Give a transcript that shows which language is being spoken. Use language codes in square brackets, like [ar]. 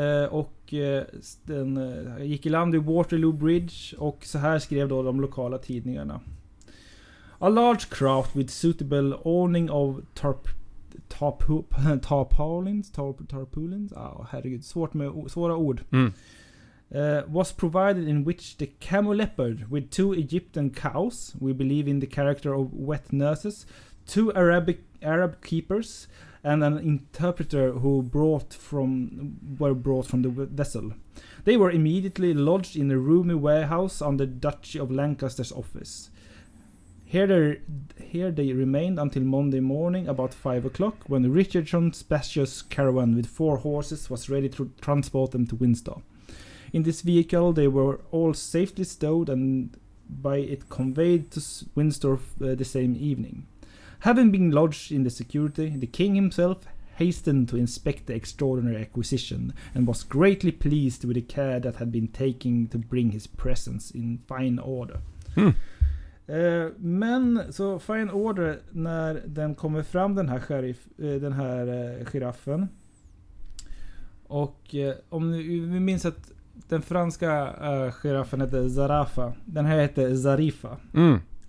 [sv] Och den gick i land vid Waterloo Bridge. Och så här skrev då de lokala tidningarna. [en] A large craft with suitable awning of tarpaulins. [sv] Oh, herregud, svårt med svåra ord. Mm. [en] Was provided in which the camel leopard with two Egyptian cows, we believe in the character of wet nurses, two Arab keepers, and an interpreter who were brought from the vessel. They were immediately lodged in a roomy warehouse on the Duchy of Lancaster's office. Here they remained until Monday morning about 5 o'clock, when Richardson's spacious caravan with four horses was ready to transport them to Windsor. In this vehicle, they were all safely stowed and by it conveyed to Windsor the same evening. Having been lodged in the security, the king himself hastened to inspect the extraordinary acquisition and was greatly pleased with the care that had been taken to bring his presents in fine order. [sv] Men så [en] fine order [sv] när den kommer fram, den här sheriff, den här giraffen. Och om vi minns att den franska giraffen heter Zarafa. Den här heter Zarifa. Mm.